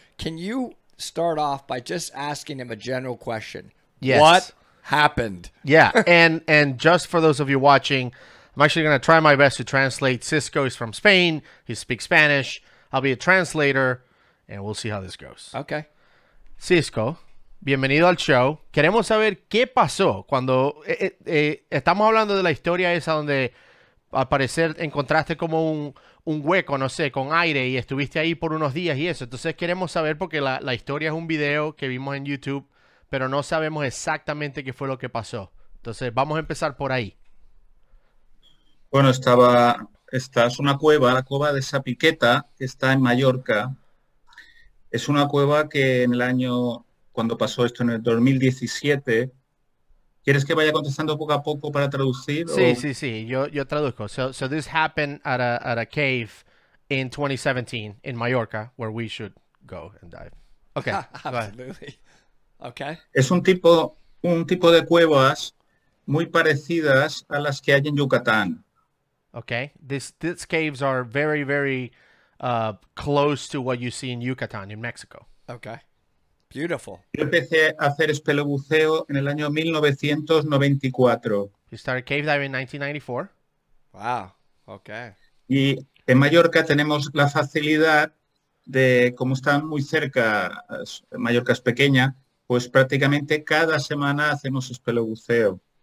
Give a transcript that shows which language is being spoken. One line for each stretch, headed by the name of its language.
English: Can you start off by just asking him a general question? Yes. What happened? Yeah. And just for those of you watching, I'm actually going to try my best to translate. Xisco is from Spain. He speaks Spanish. I'll be a translator, and we'll see how this goes. Okay.
Spanish: Xisco, bienvenido al show. Queremos saber qué pasó cuando estamos hablando de la historia esa donde al parecer encontraste como un hueco, no sé, con aire y estuviste ahí por unos días y eso. Entonces queremos saber porque la historia es un video que vimos en YouTube, pero no sabemos exactamente qué fue lo que pasó. Entonces vamos a empezar por ahí. Bueno, es una cueva, la cueva de Sapiqueta, que está en Mallorca. Es una cueva que en el año, cuando pasó esto, en el 2017. ¿Quieres que vaya contestando poco a poco para traducir? Sí. Yo traduzco.
English: So this happened at a cave in 2017 in Mallorca, where we should go and dive. Okay. Absolutely. Okay.
Spanish: Es un tipo de cuevas muy parecidas a las que hay en Yucatán.
English: Okay. This caves are very, very close to what you see in Yucatan, in Mexico. Okay. Beautiful.
Spanish: Yo empecé a hacer espeleobuceo en el año 1994.
English: You started cave diving in 1994. Wow. Okay.
Spanish: Y en Mallorca tenemos la facilidad de, como están muy cerca, Mallorca es pequeña, pues prácticamente cada semana hacemos espeleobuceo.